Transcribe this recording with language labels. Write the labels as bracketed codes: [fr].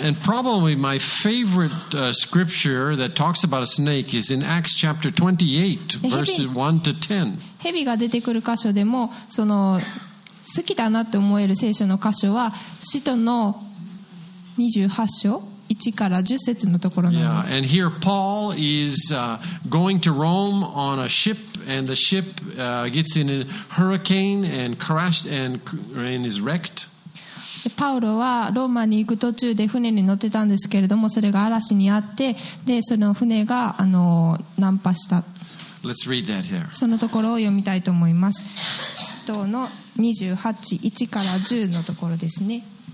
[en] And probably my favorite scripture that talks about a snake is in Acts chapter 28, verses 1-10. [ja] 蛇が出てくる箇所でも、その好きだなと思える聖書の箇所は、使徒の28章。 [en] Yeah, and here Paul is going to Rome on a ship, and the ship gets in a hurricane and crashed and is wrecked. [ja] パウロはローマに行く途中で船に乗ってたんですけれども、それが嵐にあって、でその船が難破した。 [en] Let's read that here. [ja] そのところを読みたいと思います。使徒の28:1-10のところですね。